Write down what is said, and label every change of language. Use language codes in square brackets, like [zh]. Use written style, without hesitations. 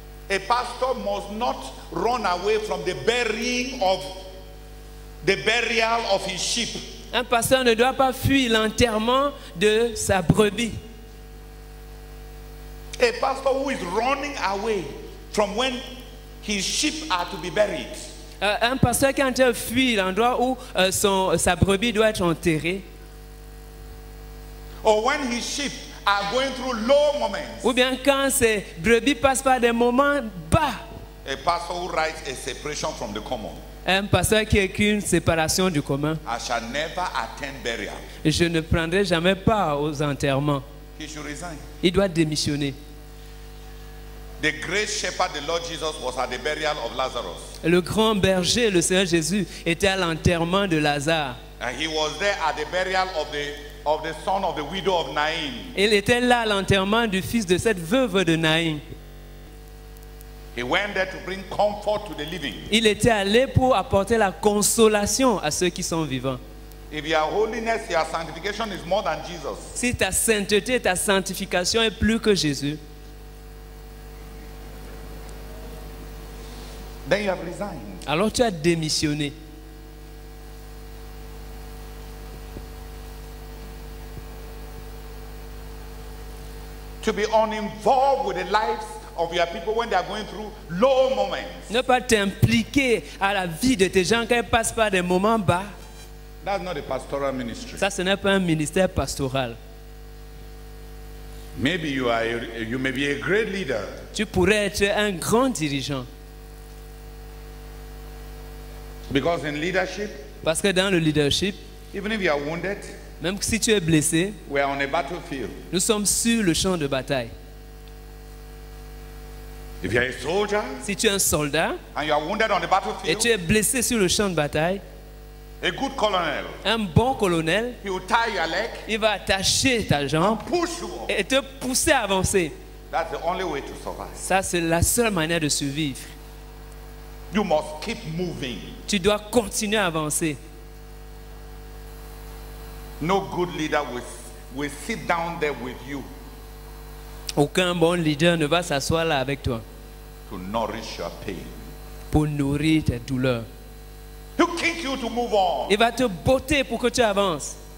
[en] A pastor must not run away from the burial of his sheep. [fr] Un pasteur ne doit pas fuir l'enterrement de sa brebis. [en] A pastor who is running away from when his sheep are to be buried. [fr] Un pasteur qui entend fuit l'endroit où sa brebis doit être enterrée. Ou bien quand ses brebis passent par des moments bas. [en] A pastor who writes a separation from the common. [fr] Un pasteur qui écrit une séparation du commun. [en] I shall never attend burial. [fr] Je ne prendrai jamais part aux enterrements. [en] He should resign. [fr] Il doit démissionner. [en] The great shepherd, the Lord Jesus, was at the burial of Lazarus. [fr] Le grand berger, le Seigneur Jésus, était à l'enterrement de Lazare. [en] And he was there at the burial of the son of the widow of Nain. [fr] Il était là à l'enterrement du fils de cette veuve de Nain. [en] He went there to bring comfort to the living. [fr] Il était allé pour apporter la consolation à ceux qui sont vivants. [en] If your holiness, your sanctification is more than Jesus. [fr] Si ta sainteté, ta sanctification est plus que Jésus. [en] Then you have resigned. [fr] Alors tu as démissionné. [en] To be uninvolved with the lives of your people when they are going through low moments. [fr] Ne pas t'impliquer à la vie de tes gens quand ils passent par des moments bas. [en] That's not a pastoral ministry. [fr] Ça, ce n'est pas un ministère pastoral. [en] Maybe you are, you may be a great leader. [fr] Tu pourrais être un grand dirigeant. [en] Because in leadership, [fr] parce que dans le leadership, [en] even if you are wounded, [fr] même si tu es blessé, [en] we are on a battlefield. [fr] Nous sommes sur le champ de bataille. [en] If you are a soldier, [fr] si tu es un soldat, [en] and you are wounded on the battlefield, [fr] et tu es blessé sur le champ de bataille, [en] a good colonel, [fr] un bon colonel, [en] he will tie your leg, [fr] il va attacher ta jambe [en] and push you up, [fr] et te pousser à avancer. [en] That's the only way to survive. [fr] Ça, c'est la seule manière de survivre. [en] You must keep moving. [fr] Tu dois continuer à avancer. [en] No good leader will sit down there with you. [fr] Aucun bon leader ne va s'asseoir là avec toi. [en] To nourish your pain. [fr] Pour nourrir tes douleurs. [en] He'll kick you to move on. [fr] Il va te botter pour que tu avances.